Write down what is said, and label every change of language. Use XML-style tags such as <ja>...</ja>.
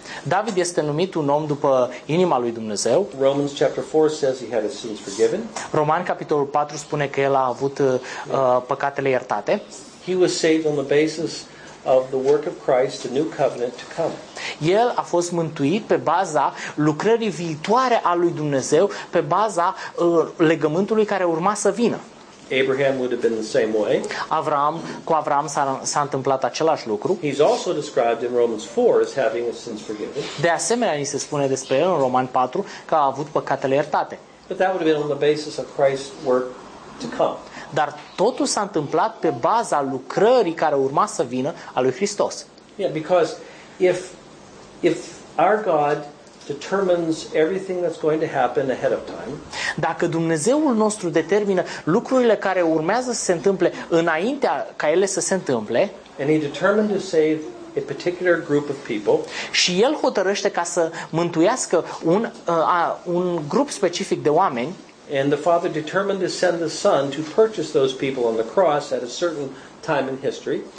<ro>David este numit un om după inima lui Dumnezeu.</ro> <en>Romans chapter 4 says he had his sins forgiven.</en> <ro>Roman capitolul 4 spune că el a avut păcatele iertate.</ro> <en>He was saved on the basis of the work of Christ, the new covenant to come.</en> <ro>El a fost mântuit pe baza lucrării viitoare a lui Dumnezeu, pe baza legământului care urma să vină.</ro> <en>Abraham would have been the same way.</en> <ro>Cu Avram s-a întâmplat același lucru.</ro> <en>He's also described in Romans 4 as having his sins forgiven.</en> <ro>De asemenea, ni se spune despre el în Roman 4 că a avut păcatele iertate.</ro> <en>But that would have been on the basis of Christ's work to come.</en> <ro>Dar totul s-a întâmplat pe baza lucrării care urma să vină a lui Hristos.</ro> <en>Yeah, because if our God determines everything that's going to happen ahead of time.</en> <ro>Dacă Dumnezeul nostru determină lucrurile care urmează să se întâmple înaintea ca ele să se întâmple,</ro> <en>and he determined to save a particular group of people.</en> <ro>Și el hotărăște ca să mântuiască un grup specific de oameni.</ro> <en>And the Father determined to send the Son to purchase those people on the cross at a certain time in history.</en>